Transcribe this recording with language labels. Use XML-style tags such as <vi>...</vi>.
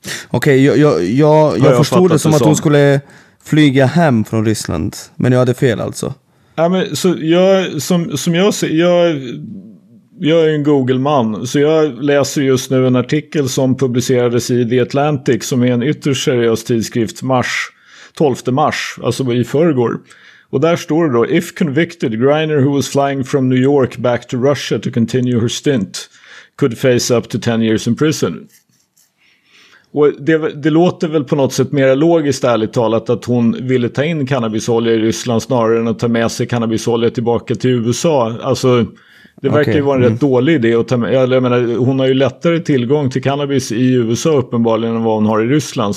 <sv>Okej, jag förstod det som att hon skulle flyga hem från Ryssland, men jag hade fel alltså. Ja, men så jag som jag ser, jag är en Google-man, så jag läser just nu en artikel som publicerades i The Atlantic, som är en ytterst seriös tidskrift, 12 mars, alltså i förrgår. Och där står det då:</sv> <en>if convicted, Griner, who was flying from New York back to Russia to continue her stint, could face up to 10 years in prison.</en> <sv>Och det låter väl på något sätt mer logiskt, ärligt talat, att hon ville ta in cannabisolja i Ryssland snarare än att ta med sig cannabisolja tillbaka till USA. Alltså, det verkar ju vara en rätt dålig idé att ta med. Jag menar, hon har ju lättare tillgång till cannabis i USA uppenbarligen än vad hon har i Ryssland.</sv>